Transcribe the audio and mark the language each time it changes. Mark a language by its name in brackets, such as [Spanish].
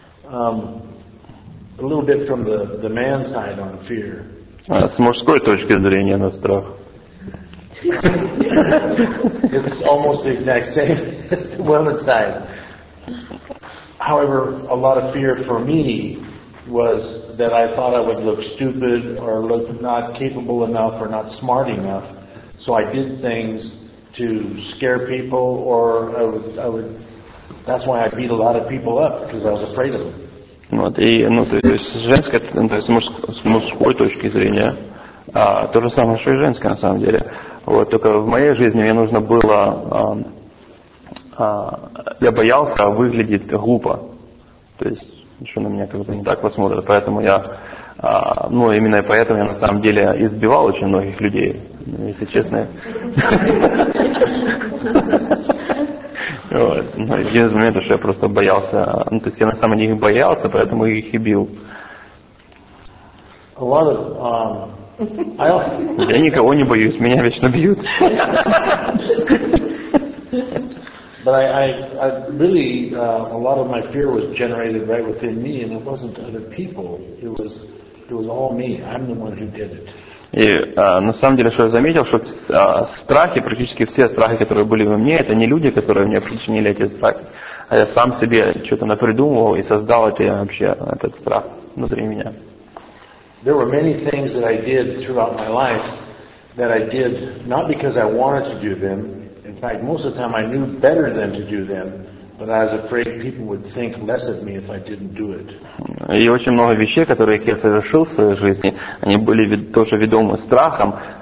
[English] A little bit from the man side on fear. [Russian] С мужской точки зрения на страх. [English] It's almost the exact same as the woman's side. However, a lot of fear for me was that I thought I would look stupid or look not capable enough or not smart enough. So I did things to scare people, or I would. That's why I beat a lot of people up, because I was afraid of them. [Russian] Вот, и, ну, с мужской точки зрения, то же самое, что и женское, на самом деле. Вот, только в моей жизни мне нужно было, я боялся выглядеть глупо, то есть, что на меня как-то не так посмотрят, поэтому я, ну, именно поэтому я, на самом деле, избивал очень многих людей, если честно. Вот. Один из моментов, что я просто боялся. Ну, то есть я на самом деле их боялся, поэтому их и бил. [English] A lot of, [Russian] я никого не боюсь, меня вечно бьют. [English] But I really, a lot of my fear was generated right within me, and it wasn't other people. It was all me. I'm the one who did it. [Russian] И на самом деле, что я заметил, что страхи, практически все страхи, которые были во мне, это не люди, которые мне причинили эти страхи, а я сам себе что-то напридумывал и создал этот страх внутри меня. [English] There were many things that I did throughout my life that I did not because I wanted to do them. In fact, most of the time I knew better than to do them. But I was afraid people would think less of me if I didn't do it. [Russian] И очень много вещей, которые я совершил в своей жизни, они были тоже ведомы страхом.